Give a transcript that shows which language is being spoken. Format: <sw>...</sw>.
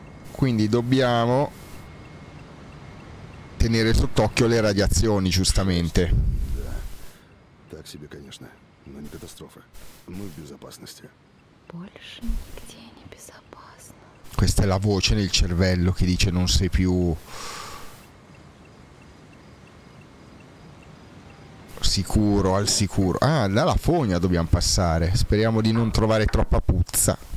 <it>Quindi dobbiamo tenere sott'occhio le radiazioni, giustamente.</it> <ru>Taxi, конечно, но не катастрофа. Мы в безопасности. Больше нигде не безопасно.</ru> <it>Questa è la voce nel cervello che dice non sei più. Sicuro, al sicuro. Ah, dalla fogna dobbiamo passare. Speriamo di non trovare troppa puzza.</it>